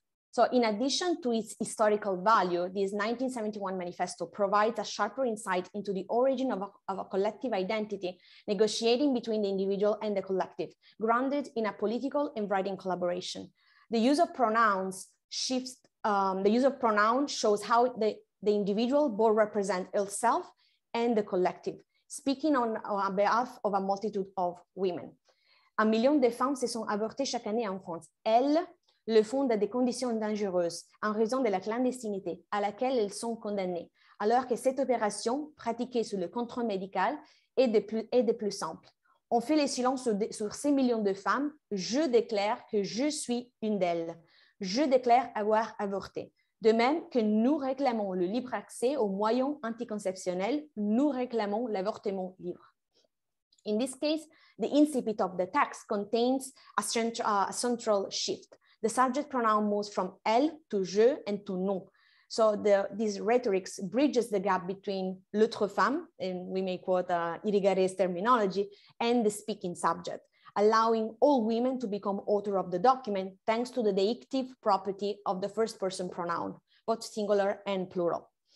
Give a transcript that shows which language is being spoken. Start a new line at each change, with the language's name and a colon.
English: So in addition to its historical value, this 1971 manifesto provides a sharper insight into the origin of a collective identity negotiating between the individual and the collective, grounded in a political and writing collaboration. The use of pronouns shifts, the use of pronouns shows how the individual both represent itself and the collective, speaking on behalf of a multitude of women.
French: Un million de femmes se sont avortées chaque année en France. Elles le font dans des conditions dangereuses en raison de la clandestinité à laquelle elles sont condamnées, alors que cette opération, pratiquée sous le contrôle médical, est de plus simple. On fait le silence sur ces millions de femmes, je déclare que je suis une d'elles. Je déclare avoir avorté. De même que nous réclamons le libre accès aux moyens anticonceptionnels, nous réclamons l'avortement libre.
English: In this case, the incipit of the text contains a central shift. The subject pronoun moves from elle to je and to nous. So this rhetoric bridges the gap between
French: l'autre femme,
English: and we may quote Irigaray's terminology, and the speaking subject, allowing all women to become author of the document thanks to the deictive property of the first person pronoun, both singular and plural.